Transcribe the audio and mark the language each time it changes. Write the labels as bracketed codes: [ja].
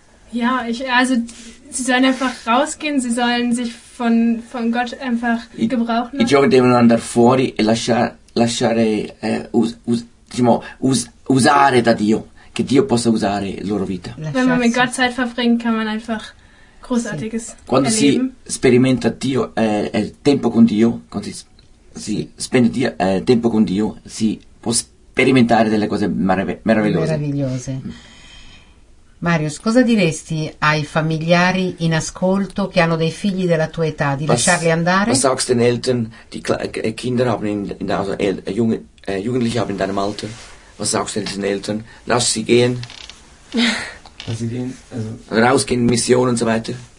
[de] Ja, ich, also sie sollen einfach rausgehen, sie sollen sich von Gott einfach gebrauchen. [it] I giovani devono andare fuori e lasciare usare da Dio, che Dio possa usare la loro vita. [de] Wenn man mit Gott Zeit verbringt, kann man einfach Großartiges sì. erleben. [it] Quando si sperimenta Dio, tempo con Dio, quando si spende Dio, tempo con Dio, si può sperimentare delle cose meravigliose. Meravigliose. Marius, cosa diresti ai familiari in ascolto che hanno dei figli della tua età, di lasciarli andare? [de] Was sagst den Eltern, die Kinder haben in der, also Jugendliche haben in deinem Alter, was sagst du den Eltern, lass sie gehen? Lass sie gehen, also... Rausgehen, Mission und so weiter?